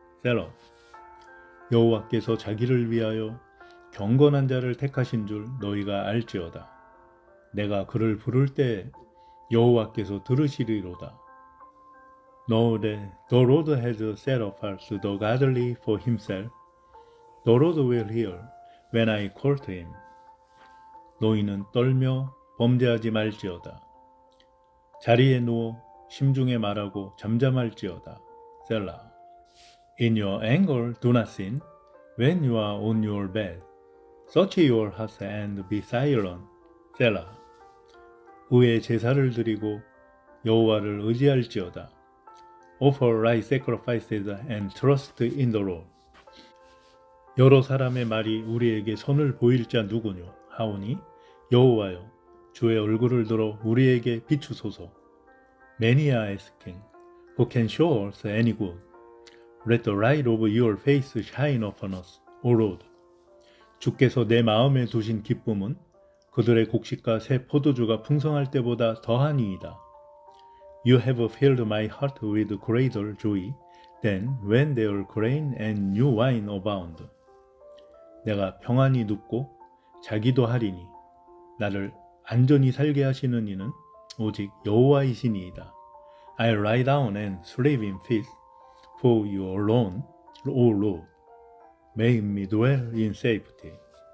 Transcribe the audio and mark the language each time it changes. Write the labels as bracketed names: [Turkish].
[Korean] 셀라 여호와께서 자기를 위하여 경건한 자를 택하신 줄 너희가 알지어다 내가 그를 부를 때 여호와께서 들으시리로다. [English] Know that the Lord has set apart the godly for himself. The Lord will hear when I call to him. [Korean] 너희는 떨며 범죄하지 말지어다. 자리에 누워 심중에 말하고 잠잠할지어다. [English] 셀라. In your anger do not sin. When you are on your bed, search your heart and be silent. [Korean] 셀라. 의의 제사를 드리고 여호와를 의지할지어다. [English] Offer right sacrifices and trust in the Lord. [Korean] 여러 사람의 말이 우리에게 선을 보일 자 누구뇨 하오니 여호와여 주의 얼굴을 들어 우리에게 비추소서. [English] Many are asking, who can show us any good? Let the light of your face shine upon us, O Lord. [Korean] 주께서 내 마음에 두신 기쁨은 그들의 곡식과 새 포도주가 풍성할 때보다 더하니이다. [English] You have filled my heart with greater joy than when their grain and new wine abound. [Korean] 내가 평안히 눕고 자기도 하리니 나를 안전히 살게 하시는 이는 오직 여호와이시니이다. [English] I lie down and sleep in peace for you alone, O Lord, make me dwell in safety.